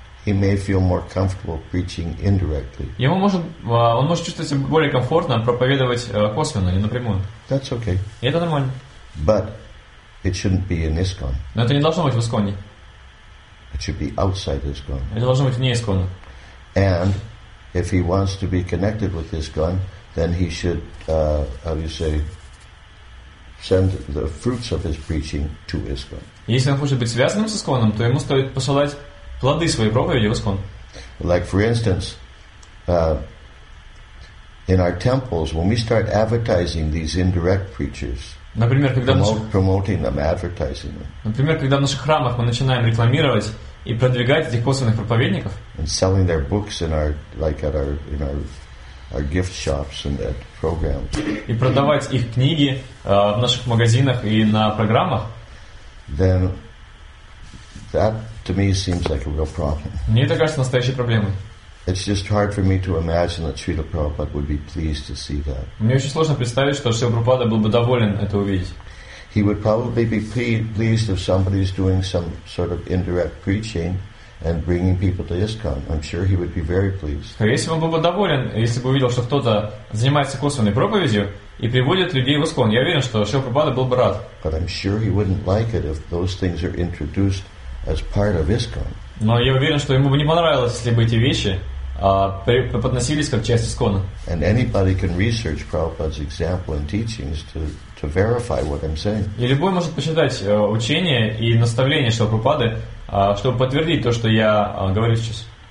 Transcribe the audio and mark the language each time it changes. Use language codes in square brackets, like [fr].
[en] he may feel more comfortable preaching indirectly. [ru] Ему может, он может чувствовать себя более комфортно проповедовать косвенно, не напрямую. [en] That's okay. [ru] И это нормально. [en] But it shouldn't be in ISKCON. [ru] Но это не должно быть в Исконе. [en] It should be outside ISKCON. [ru] Это должно быть вне Искона. [en] And if he wants to be connected with ISKCON, then he should, how do you say, send the fruits of his preaching to ISKCON. [ru] Если он хочет быть связанным с Исконом, то ему стоит посылать плоды своей проповеди в Искон. [en] Like for instance, in our temples, when we start advertising these indirect preachers. [ru] Например, когда [en] promoting them, advertising them. [ru] Например, когда в наших храмах мы начинаем рекламировать и продвигать этих косвенных проповедников. [en] And selling their books in our, like at our, in our, our gift shops and at programs. [ru] И продавать их книги в наших магазинах и на программах. [en] Then that to me seems like a real problem. [ru] Мне это кажется настоящей проблемой. [en] It's just hard for me to imagine that Srila Prabhupada would be pleased to see that. [ru] Мне очень сложно представить, что Шрила Прабхупада был бы доволен это увидеть. [en] He would probably be pleased if somebody is doing some sort of indirect preaching and bringing people to ISKCON. I'm sure he would be very pleased. [ru] Скорее всего, он был бы доволен, если бы увидел, что кто-то занимается косвенной проповедью и приводит людей в ИСККОН. Я уверен, что Шрила Прабхупада был бы рад. [en] But I'm sure he wouldn't like it if those things are introduced as part of ISKCON. [ru] Но я уверен, что ему бы не понравилось, если бы эти вещи преподносились как часть ИСККОНа. [en] And anybody can research Prabhupada's example and teachings to verify what I'm saying. [ru] И любой может почитать учение и наставление Шрилы Прабхупады, чтобы подтвердить то, что я говорю сейчас.